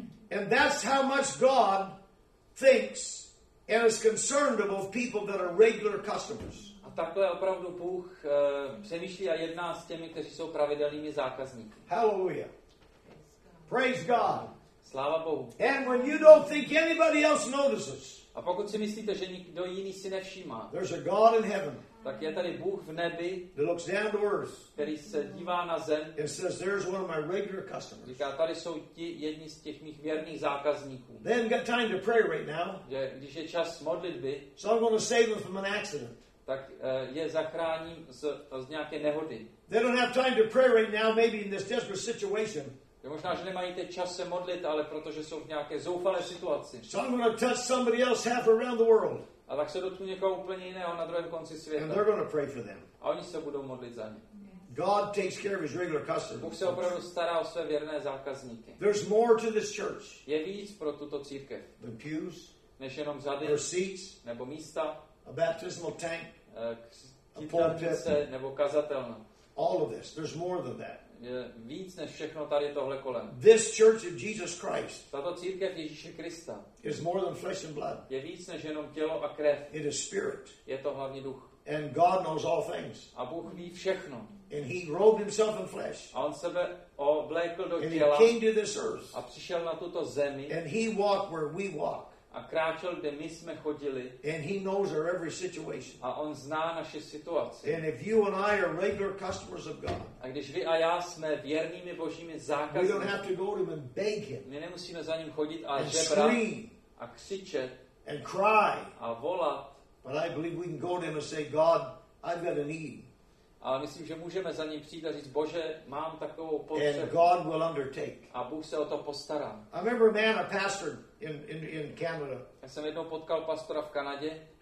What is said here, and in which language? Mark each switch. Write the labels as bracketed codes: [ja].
[en] And that's how much God thinks and is concerned about people that are regular customers. [cs] A takhle opravdu Bůh přemýšlí a jedná s těmi, kteří jsou pravidelnými zákazníky. [en] Hallelujah. Praise God. [cs] Sláva Bohu. [en] And when you don't think anybody else notices. [cs] A pokud si myslíte, že nikdo jiný si nevšímá. [en] There's a God in heaven. [cs] Tak je tady Bůh v nebi. [en] That looks down to earth. [cs] Který se dívá na zem. [en] And says, there's one of my regular customers. [cs] Říká, tady jsou ti jedni z těch mých věrných zákazníků. [en] They haven't got time to pray right now. [cs] Když je čas modlitby. [en] So I'm going to save them from an accident. [cs] Tak je zachráním z nějaké nehody. [en] They don't have time to pray right now, maybe in this desperate situation. [cs] Je možná, že nemají teď čas se modlit, ale protože jsou v nějaké zoufalé situaci. [en] So I'm going to touch somebody else half around the world. [cs] A tak se dotknu někoho úplně jiného na druhém konci světa. [en] And they're going to pray for them. [cs] A oni se budou modlit za ně. [en] God takes care of his regular customers. [cs] Bůh se opravdu stará o své věrné zákazníky. [en] There's more to this church. [cs] Je víc pro tuto církev. [en] Than pews. [cs] Než jenom zady. [en] Or seats. [cs] Nebo místa. [en] A baptismal tank. [cs] Kytlánice. Nebo kazatelna. [en] All of this. There's more than that. [cs] Je víc než všechno tady tohle kolem. [en] This church of Jesus Christ. [cs] Tato církev Ježíše Krista. [en] Is more than flesh and blood. [cs] Je víc než jenom tělo a krev. [en] It is spirit. [cs] Je to hlavně duch. [en] And God knows all things. [cs] A Bůh ví všechno. [en] And he robed himself in flesh. [cs] A on sebe oblékl do těla. [en] And he came to this earth. [cs] A přišel na tuto zemi. [en] And he walked where we walk. [cs] A kráčel, kde my jsme chodili. [en] And he knows our every situation. [cs] A on zná naše situace. [en] And if you and I are regular customers of God. [cs] A když vy a já jsme věrnými Božími zákazníky. [en] We don't have to go to him and beg him. [cs] My nemusíme za ním chodit a žebrat. A křičet. [en] And cry. [cs] A volat. [en] But I believe we can go to him and say, God, I've got a need. [cs] Ale myslím, že můžeme za ním přijít a říct, Bože, mám takovou potřebu. [en] And God will undertake. [cs] A Bůh se o to postará. [en] I remember a man, a pastor in Canada. [cs] Já jsem jednou potkal pastora v Kanadě.